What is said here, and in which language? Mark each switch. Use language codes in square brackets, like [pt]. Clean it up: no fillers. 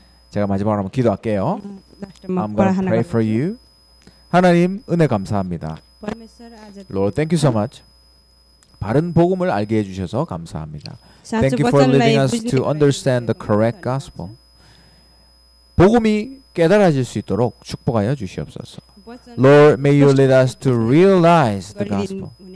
[ko] 제가 마지막으로 한번 기도할게요. [en] I'm going to pray for you. [ko] 하나님 은혜 감사합니다. [en] Lord, thank you so much. [ko] 바른 복음을 알게 해주셔서 감사합니다. [en] Thank you for leading us to understand the correct gospel. [ko] 복음이 깨달아질 수 있도록 축복하여 주시옵소서. [en] Lord, may you lead us to realize the gospel.